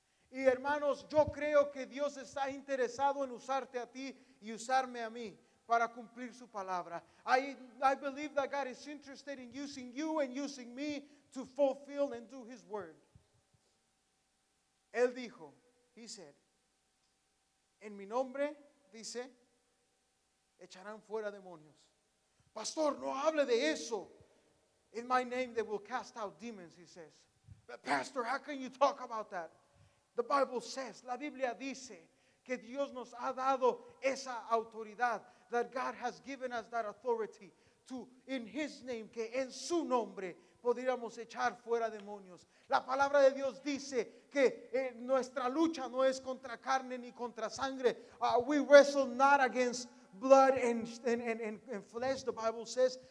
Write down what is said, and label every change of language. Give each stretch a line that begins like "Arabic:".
Spanish: Y hermanos, yo creo que Dios está interesado en usarte a ti y usarme a mí para cumplir su palabra.
English: I believe that God is interested in using you and using me to fulfill and do his word.
Spanish: Él dijo,
English: he said,
Spanish: en mi nombre, dice, echarán fuera demonios. Pastor, no hable de eso.
English: In my name they will cast out demons, he says. But pastor, how can you talk about that? The Bible says,
Spanish: la Biblia dice que Dios nos ha dado esa autoridad,
English: that God has given us that authority to, in his name,
Spanish: que en su nombre podríamos echar fuera demonios. La palabra de Dios dice que nuestra lucha no es contra carne ni contra sangre.
English: We wrestle not against blood and flesh, the Bible says.